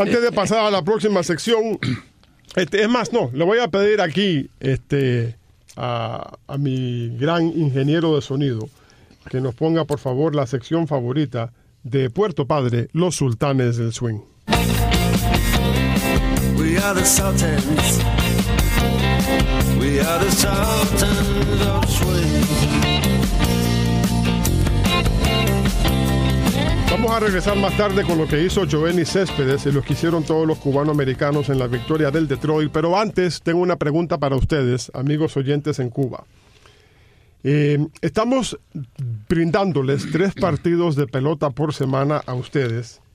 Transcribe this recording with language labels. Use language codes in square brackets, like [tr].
[es] Antes de pasar a la próxima sección, es más, no, le voy a pedir aquí a mi gran ingeniero de sonido que nos ponga, por favor, la sección favorita de Puerto Padre, Los Sultanes del Swing. [en] We are the Sultans. We are the Sultans of Swing. [es] Vamos a regresar más tarde con lo que hizo Giovanni Céspedes y lo que hicieron todos los cubanoamericanos en la victoria del Detroit. Pero antes, tengo una pregunta para ustedes, amigos oyentes en Cuba. Estamos brindándoles 3 partidos de pelota por semana a ustedes.